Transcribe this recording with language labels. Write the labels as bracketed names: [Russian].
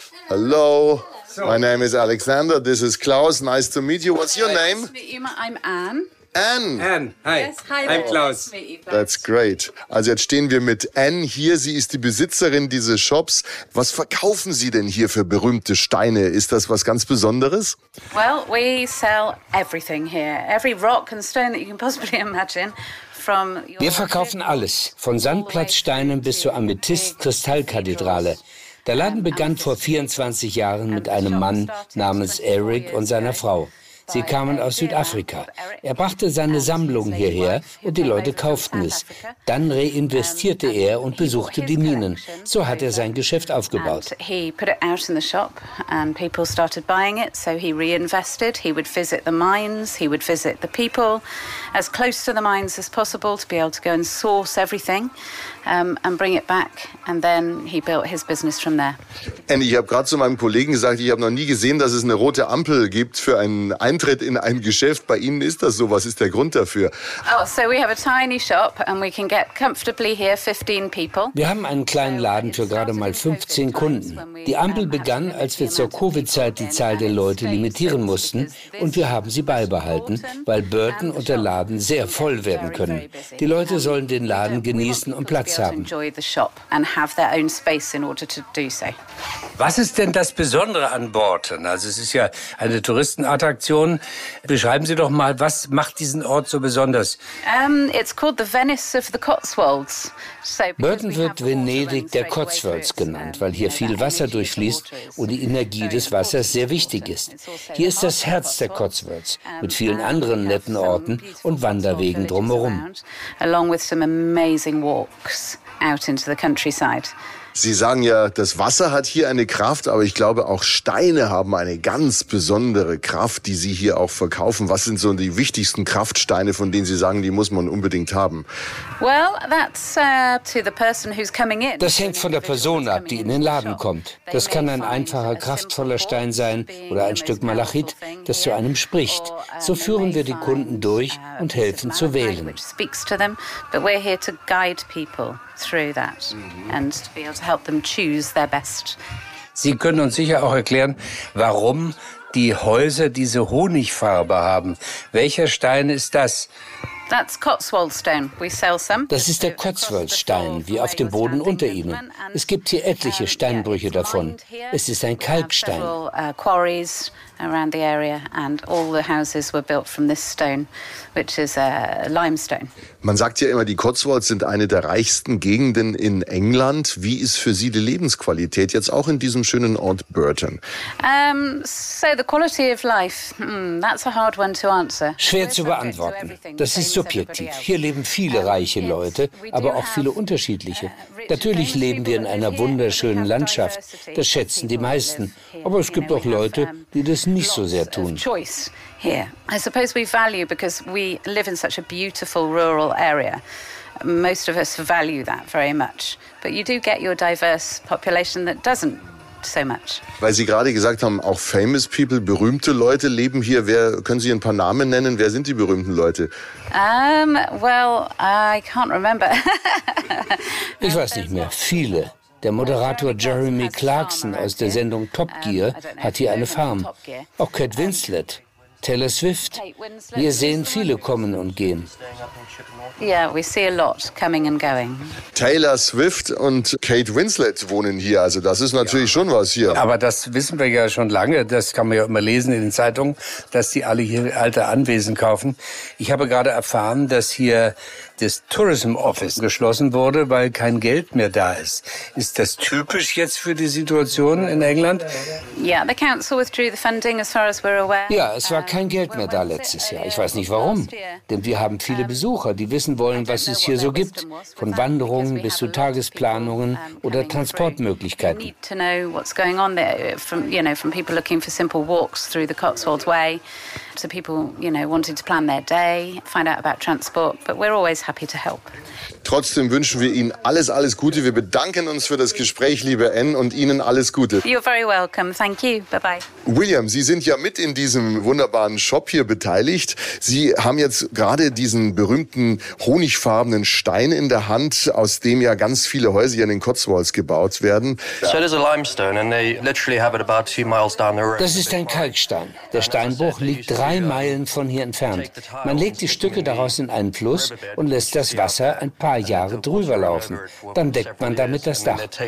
[English] Hallo. So. My name is Alexander. This is Klaus. Nice to meet you. What's your name? I'm Anne. Anne. Anne. Hi. Yes. Hi. I'm Klaus. That's great. [German] Also jetzt stehen wir mit Anne hier. Sie ist die Besitzerin dieses Shops. Was verkaufen Sie denn hier für berühmte Steine? Ist das was ganz Besonderes? [English] Well, we sell everything here. Every rock and stone that you can possibly imagine. [German] Wir verkaufen alles. Von Sandplatzsteinen bis zur Amethyst-Kristallkathedrale. Der Laden begann vor 24 Jahren mit einem Mann namens Eric und seiner Frau. Sie kamen aus Südafrika. Er brachte seine Sammlung hierher und die Leute kauften es. Dann reinvestierte er und besuchte die Minen. So hat er sein Geschäft aufgebaut. [English] He put it out in the shop and people started buying it, so he reinvested. He would visit the mines, he would visit the people as close to the mines as possible to be able to go and source everything and bring it back, and then he built his business from there. [German] Und ich habe gerade zu meinem Kollegen gesagt, ich habe noch nie gesehen, dass es eine rote Ampel gibt für einen Eintritt in ein Geschäft. Bei Ihnen ist das so. Was ist der Grund dafür? [English] Oh, so we have a tiny shop and we can get comfortably here 15 people. [German] Wir haben einen kleinen Laden für gerade mal 15 Kunden. Die Ampel begann, als wir zur Covid-Zeit die Zahl der Leute limitieren mussten, und wir haben sie beibehalten, weil Burton und der Laden sehr voll werden können. Die Leute sollen den Laden genießen und Platz haben. Was ist denn das Besondere an Burton? Also es ist ja eine Touristenattraktion. Beschreiben Sie doch mal, was macht diesen Ort so besonders? [English] It's called the Venice of the Cotswolds. [German] Burton wird Venedig der Cotswolds genannt, weil hier viel Wasser durchfließt und die Energie des Wassers sehr wichtig ist. Hier ist das Herz der Cotswolds mit vielen anderen netten Orten und Wanderwegen drumherum. [English] Along with some amazing walks out into the countryside. [German] Sie sagen ja, das Wasser hat hier eine Kraft, aber ich glaube, auch Steine haben eine ganz besondere Kraft, die Sie hier auch verkaufen. Was sind so die wichtigsten Kraftsteine, von denen Sie sagen, die muss man unbedingt haben? [English] Well, that's to the person who's coming in. [German] Das hängt von der Person ab, die in den Laden kommt. Das kann ein einfacher, kraftvoller Stein sein oder ein Stück Malachit, das zu einem spricht. So führen wir die Kunden durch und helfen zu wählen. [English] But we're here to guide people through that and to be able to help them choose their best. [German] Sie können uns sicher auch erklären, warum die Häuser diese Honigfarbe haben. Welcher Stein ist das? [English] That's Cotswold Stone. We sell some. [German] Das ist der Cotswold-Stein, wie auf dem Boden unter Ihnen. Es gibt hier etliche Steinbrüche davon. Es ist ein Kalkstein. [English] Quarries around the area and all the houses were built from this stone, which is a limestone. [German] Man sagt ja immer, die Cotswolds sind eine der reichsten Gegenden in England. Wie ist für Sie die Lebensqualität jetzt auch in diesem schönen Ort Burton? [English] So the quality of life, that's a hard one to answer. [German] Schwer zu beantworten. Das ist subjektiv. Hier leben viele reiche Leute, aber auch viele unterschiedliche. Natürlich leben wir in einer wunderschönen Landschaft. Das schätzen die meisten. Aber es gibt auch Leute, die das nicht so sehr tun. [English] I suppose we value because we live in such a beautiful rural area. Most of us value that very much. But you do get your diverse population that doesn't so much. [German] Weil Sie gerade gesagt haben, auch [English] famous people, [German] berühmte Leute leben hier. Wer können Sie ein paar Namen nennen? Wer sind die berühmten Leute? [English] I can't remember. [German] Ich weiß nicht mehr. Viele. Der Moderator Jeremy Clarkson aus der Sendung Top Gear hat hier eine Farm. Auch Kate Winslet. Taylor Swift. Wir sehen viele kommen und gehen. [English] Yeah, we see a lot coming and going. [German] Taylor Swift und Kate Winslet wohnen hier, also das ist natürlich schon was hier. Aber das wissen wir ja schon lange, das kann man ja immer lesen in den Zeitungen, dass die alle hier alte Anwesen kaufen. Ich habe gerade erfahren, dass hier das Tourism Office geschlossen wurde, weil kein Geld mehr da ist. Ist das typisch jetzt für die Situation in England? [English] Yeah, the council withdrew the funding as far as we're aware. [German] Ja, es war kein Geld mehr da letztes Jahr. Ich weiß nicht warum, denn wir haben viele Besucher, die wissen wollen, was es hier so gibt, von Wanderungen bis zu Tagesplanungen oder Transportmöglichkeiten. [English] To know what's going on there, from, you know, from people looking for simple walks through the Cotswolds Way, to people, you know, wanting to plan their day, find out about transport, but we're always happy to help. [German] Trotzdem wünschen wir Ihnen alles, alles Gute. Wir bedanken uns für das Gespräch, liebe Anne, und Ihnen alles Gute. [English] You're very welcome. Thank you. Bye-bye. [German] William, Sie sind ja mit in diesem wunderbaren Shop hier beteiligt. Sie haben jetzt gerade diesen berühmten honigfarbenen Stein in der Hand, aus dem ja ganz viele Häuser hier in den Cotswolds gebaut werden. [English] So it is a limestone and they literally have it about 2 miles down the road. [German] Das ist ein Kalkstein. Der Steinbruch liegt 3 Meilen von hier entfernt. Man legt die Stücke daraus in einen Fluss und lässt das Wasser ein paar Jahre drüber laufen. Dann deckt man damit das Dach.